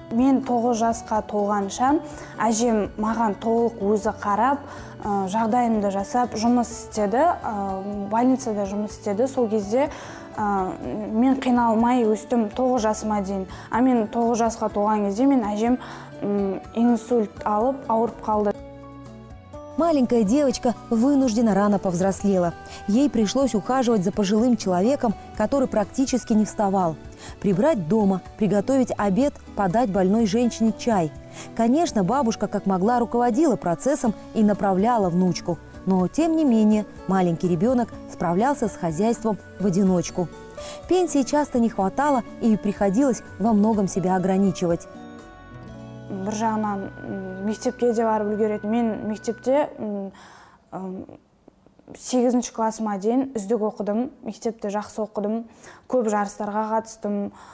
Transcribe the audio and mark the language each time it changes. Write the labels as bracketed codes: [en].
[kk] Мен 9 жасқа толғаншам, әжем маған толық өзі қарап, жағдайымды жасап, жұмыс істеді, больницада жұмыс істеді. Сол кезде мен қиналмай өстім 9 жасыма дейін. А мен 9 жасқа толған кезде мен әжем инсульт алып, ауырып қалды. [ru] Маленькая девочка вынуждена рано повзрослела. Ей пришлось ухаживать за пожилым человеком, который практически не вставал. Прибрать дома, приготовить обед, подать больной женщине чай. Конечно, бабушка как могла руководила процессом и направляла внучку. Но, тем не менее, маленький ребенок справлялся с хозяйством в одиночку. Пенсии часто не хватало и приходилось во многом себя ограничивать. [kk] Бір жағынан мектепке де барып үлгереді. Мен мектепте 8-ші классыма дейін үздік оқыдым, мектепте жақсы оқыдым, көп жарыстарға қатыстым.